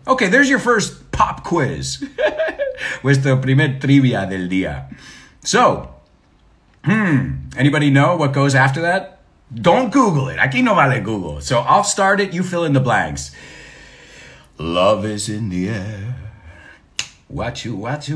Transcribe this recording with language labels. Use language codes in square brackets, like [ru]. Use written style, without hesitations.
[en] Okay, there's your first pop quiz. [es] Vuestro primer trivia del día. [en] So, anybody know what goes after that? Don't Google it. [es] Aquí no vale Google. [en] So I'll start it. You fill in the blanks. Love is in the air. What you?